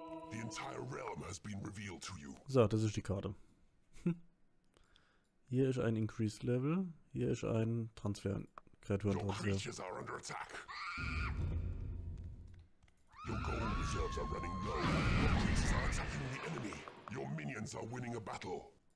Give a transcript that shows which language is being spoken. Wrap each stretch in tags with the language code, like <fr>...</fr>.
<en>The entire realm has been revealed to you.</en> <de>So, das ist die Karte. Hier ist ein</de> <en>increased level,</en> <de>hier ist ein Transfer Kreaturentransfer.</de> <en>Your creatures are under attack. Your gold reserves are running low. Your creatures are attacking the enemy. Your minions are winning a battle.</en>